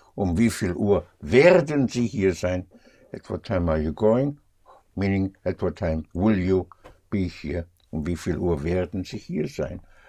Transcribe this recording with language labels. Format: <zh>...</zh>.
<de>Um wie viel Uhr werden Sie hier sein?</de> <en>At what time are you going? Meaning, at what time will you be here?</en> <de>Um wie viel Uhr werden Sie hier sein?</de>